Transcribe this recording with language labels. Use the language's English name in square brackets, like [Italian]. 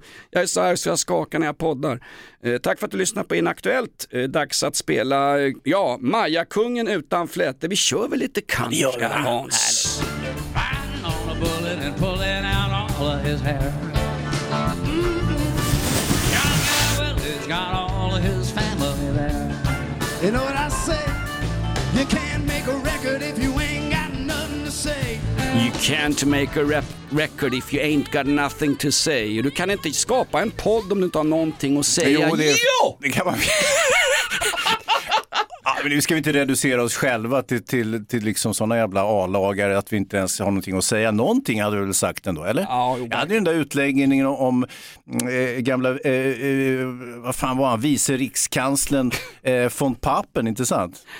[Swedish] Jag är så här så jag skakar när jag poddar. Tack för att du lyssnar på Inaktuellt. Dags att spela Maja kungen utan fläte. Vi kör väl lite country, Hans. [English] Riding on a bullet and pulling out all of his hair. He's got all of his family there. You know what I say? You can't make a record if you ain't got nothing to say. You can't make a record if you ain't got nothing to say. [Swedish] Du kan inte skapa en podd om du inte har någonting att säga. Det kan man. Men nu ska vi inte reducera oss själva till liksom sådana jävla A-lagare att vi inte ens har någonting att säga. Någonting hade du väl sagt ändå, eller? Jag hade ju den där utläggningen om gamla, vad fan var han, vice rikskanslern von Papen, inte sant?